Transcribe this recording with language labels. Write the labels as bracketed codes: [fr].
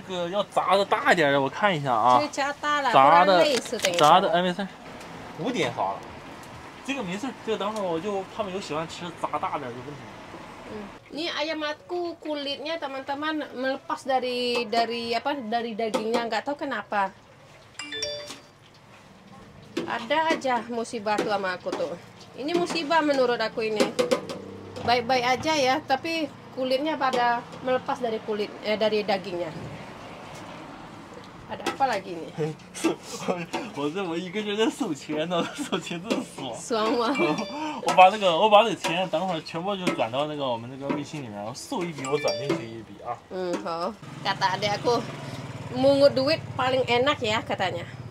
[zh] 要砸的大一点的，我看一下啊。就加大了，砸的，砸的，哎，没事。 5点砸了，这个没事，这个等会儿我就他们有喜欢吃砸大点就问题。 [id] 嗯，ini ayamku kulitnya teman-teman melepas dari dagingnya, nggak tahu kenapa. Ada aja musibah tuh sama aku tuh. Ini musibah menurut aku ini. Baik-baik aja ya, tapi kulitnya pada melepas dari dagingnya. ada apa lagi nih? [zh] 我怎么一个人在数钱呢？数钱这么爽？爽吗？我把那钱等会儿全部就转到那个我们那个微信里面，数一笔我转进去一笔啊。嗯，好。 [id] Kata adik aku, mungut duit paling enak ya katanya.